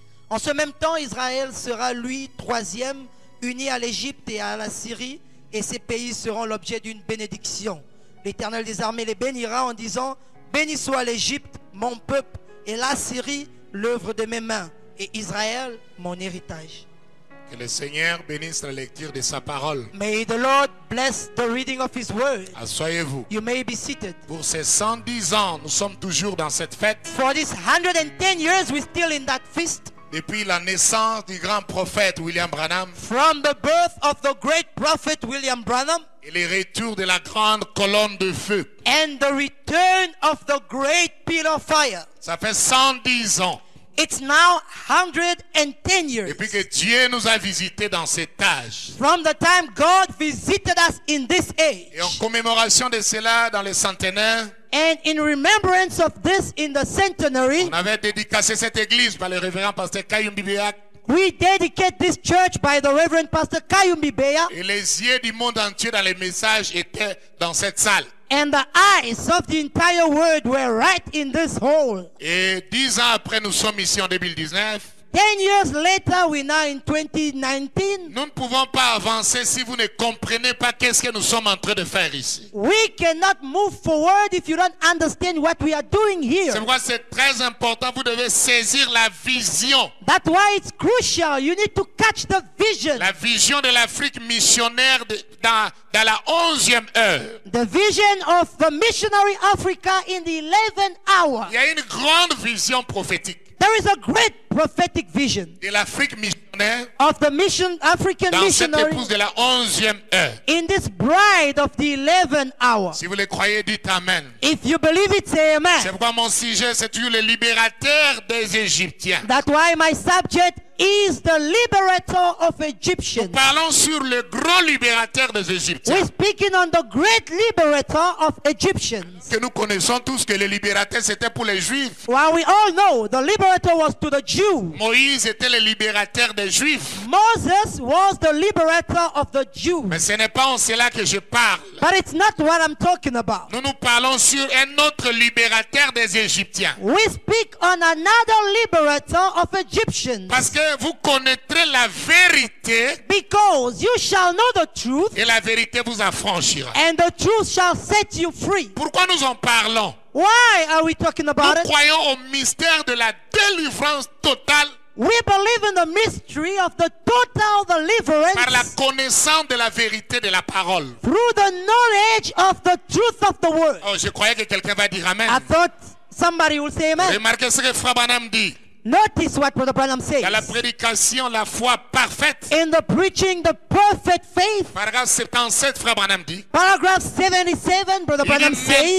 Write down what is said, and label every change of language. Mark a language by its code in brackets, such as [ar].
[fr] En ce même temps, Israël sera lui troisième, uni à l'Égypte et à la Syrie, et ces pays seront l'objet d'une bénédiction. L'Éternel des armées les bénira en disant: béni soit l'Égypte, mon peuple, et la Syrie, l'œuvre de mes mains, et Israël, mon héritage. Que le Seigneur bénisse la lecture de sa parole. [en] May the Lord bless the reading of his word. [fr] Asseyez-vous. [en] You may be seated. [fr] Pour ces 110 ans, nous sommes toujours dans cette fête. [en] For these 110 years, we're still in that feast. [fr] Depuis la naissance du grand prophète William Branham, [en] from the birth of the great prophet William Branham, [fr] et le retour de la grande colonne de feu, [en] and the return of the great pillar of fire, [fr] ça fait 110 ans. [en] It's now 110 years. [fr] Depuis que Dieu nous a visités dans cet âge, [en] from the time God visited us in this age, [fr] et en commémoration de cela dans les centenaires, [en] and in remembrance of this in the centenary, [fr] on avait dédicacé cette église par le révérend pasteur Kayumbi Béa. [en] We dedicate this church by the Reverend Pastor Kayumbi Béa. [fr] Et les yeux du monde entier dans les messages étaient dans cette salle. [en] And the eyes of the entire world were right in this hall. [fr] Et 10 ans après, nous sommes ici en 2019. [en] 10 years later, we're now in 2019. [fr] Nous ne pouvons pas avancer si vous ne comprenez pas qu'est-ce que nous sommes en train de faire ici. [en] We cannot move forward if you don't understand what we are doing here. [fr] C'est pourquoi c'est très important. Vous devez saisir la vision. [en] That's why it's crucial. You need to catch the vision. [fr] La vision de l'Afrique missionnaire dans la 11e heure. [en] The vision of the missionary Africa in the 11th hour. [fr] Il y a une grande vision prophétique. [en] There is a great prophetic vision [fr] de l'Afrique missionnaire, [en] of the mission, African [fr] dans [en] missionary, [fr] cette épouse de la 11e heure, [en] in this bride of the 11th hour. [fr] Si vous le croyez, dites amen. [en] If you believe it, say amen. [fr] C'est pourquoi mon sujet, c'est toujours le libérateur des Égyptiens. [en] That's why my subject is the liberator of Egyptians. [fr] Nous parlons sur le grand libérateur des Égyptiens. [en] We're speaking on the great liberator of Egyptians. [fr] Que nous connaissons tous que le libérateur c'était pour les Juifs. [en] Well, we all know the liberator was to the Jews. [fr] Moïse était le libérateur des Juifs. [en] Moses was the liberator of the Jews. [fr] Mais ce n'est pas en cela que je parle. [en] But it's not what I'm talking about. [fr] Nous parlons sur un autre libérateur des Égyptiens. [en] We speak on another liberator of Egyptians. [fr] Parce que vous connaîtrez la vérité. [en] Because you shall know the truth. [fr] Et la vérité vous affranchira. [en] And the truth shall set you free. [fr] Pourquoi nous en parlons? [en] Why are we talking about [fr] nous [en] it? [fr] Nous croyons au mystère de la délivrance totale. [en] We believe in the mystery of the total deliverance. [fr] Par la connaissance de la vérité de la parole. [en] Through the knowledge of the truth of the word. [fr] Oh, je croyais que quelqu'un va dire amen. [en] I thought somebody would say amen. [fr] Remarquez ce que Frère Branham dit. [en] Notice what Brother Branham says. [fr] Dans la prédication, la foi parfaite. [en] In the preaching, the perfect faith. [fr] Paragraphe 77, Frère Branham dit. [en] Paragraph 77, Brother Branham says.